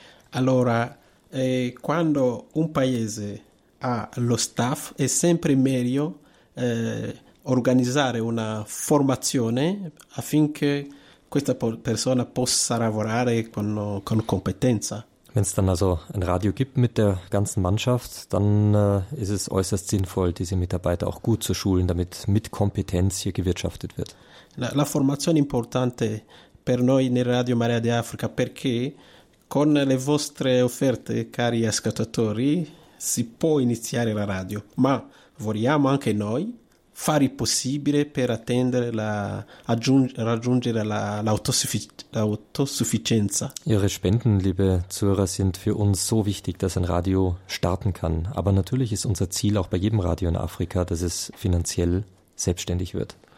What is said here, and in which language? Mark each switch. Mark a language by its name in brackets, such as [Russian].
[Italian] Allora, quando un paese ha lo staff, è sempre meglio organizzare una formazione affinché questa persona possa lavorare con competenza. [German] Wenn es dann also ein Radio gibt mit der ganzen Mannschaft, dann ist es äußerst sinnvoll, diese Mitarbeiter auch gut zu schulen, damit mit Kompetenz hier gewirtschaftet wird. [Italian] La formazione è importante per noi nel Radio Maria di Africa perché con le vostre offerte, cari ascoltatori, si può iniziare la radio, ma vogliamo anche noi fare il possibile per raggiungere l'autosufficienza. [German] Ihre Spenden, liebe Zuhörer, sind für uns so wichtig, dass ein Radio starten kann. Aber natürlich ist unser Ziel auch bei jedem Radio in Afrika, dass es finanziell selbstständig wird.